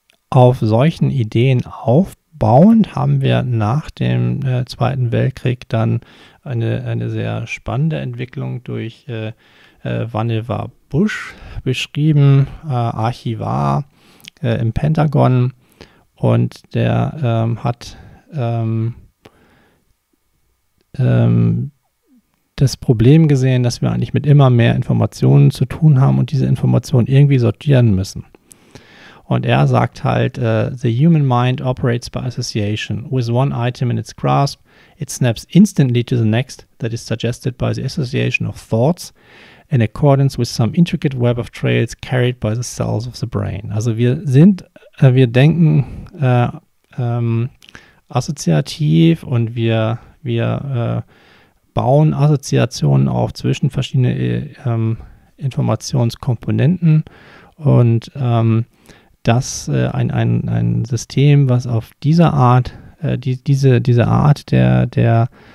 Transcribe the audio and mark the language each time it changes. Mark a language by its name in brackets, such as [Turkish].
[German] Auf solchen Ideen aufbauend haben wir nach dem Zweiten Weltkrieg dann eine sehr spannende Entwicklung durch Vannevar Bush beschrieben, Archivar im Pentagon, und der hat das Problem gesehen, dass wir eigentlich mit immer mehr Informationen zu tun haben und diese Informationen irgendwie sortieren müssen. Und er sagt halt, [English] the human mind operates by association. With one item in its grasp, it snaps instantly to the next that is suggested by the association of thoughts in accordance with some intricate web of trails carried by the cells of the brain. [German] Also wir denken assoziativ und wir bauen Assoziationen auf zwischen verschiedenen Informationskomponenten und dass ein System, was auf diese Art der